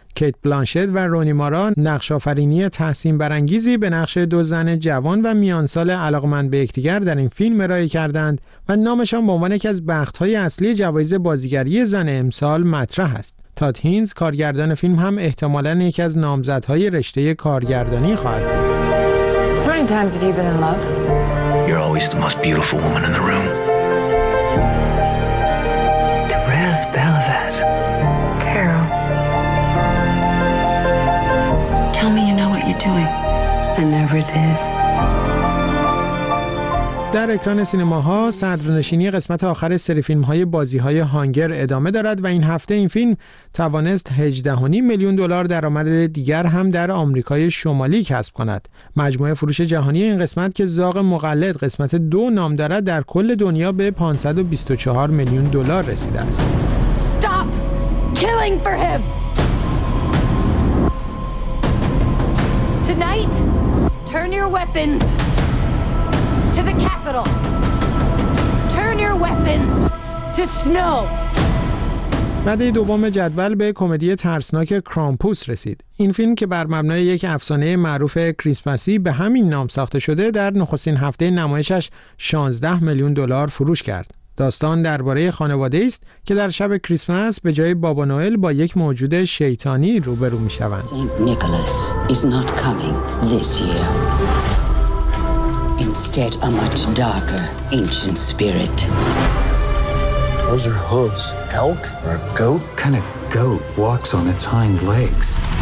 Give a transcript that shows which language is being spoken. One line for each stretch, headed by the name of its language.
Persian: کیت بلانشت و رونی مارا نقش‌آفرینی تحسین برانگیزی به نقش 2 زن جوان و میانسال علاقمند به یکدیگر در این فیلم ارائه کردند و نامشان به عنوان یکی از بخت‌های اصلی جوایز بازیگری زن امسال مطرح است. تاد هینز کارگردان فیلم هم احتمالاً یکی از نامزدهای رشته کارگردانی خواهد بود.
English: You're always the most beautiful woman in the room. Therese Belavet. Carol. Tell me you know what you're doing. I never did.
Persian: در اکران سینماها صدرنشینی قسمت آخر سری فیلم‌های بازی‌های هانگر ادامه دارد و این هفته این فیلم توانست 18.5 میلیون دلار درآمد دیگر هم در آمریکای شمالی کسب کند. مجموعه فروش جهانی این قسمت که زاغ مقلد قسمت 2 نام دارد در کل دنیا به 524 میلیون دلار رسیده است.
English: Stop killing for him. Tonight, turn your weapons. To the capital. Turn your weapons to snow.
Persian: رده دوم جدول به کمدی ترسناک کرامپوس رسید. این فیلم که بر مبنای یک افسانه معروف کریسمسی به همین نام ساخته شده، در نخستین هفته نمایشش 16 میلیون دلار فروش کرد. داستان درباره خانواده است که در شب کریسمس به جای بابا نوئل با یک موجود شیطانی روبرو می شوند.
English: Saint Nicholas is not coming this year. Instead a much darker ancient spirit. Those are hooves. Elk or a goat? Kind of goat walks on its hind legs.